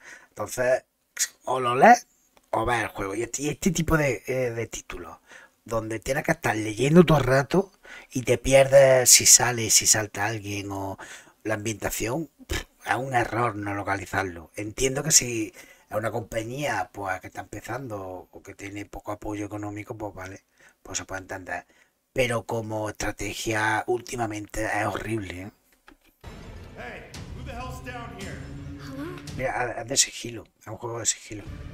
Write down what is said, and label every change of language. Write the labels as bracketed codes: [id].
[es] Entonces, o lo lees o ves el juego. Y este tipo de títulos, donde tienes que estar leyendo todo el rato y te pierdes si sale, si salta alguien o la ambientación, es un error no localizarlo. Entiendo que si es una compañía pues que está empezando o que tiene poco apoyo económico, pues vale, pues se puede entender. Pero como estrategia últimamente es horrible, ¿eh? [en] Hey, who the hell's down here? Hello? [es] Mira, es de sigilo, es un juego de sigilo.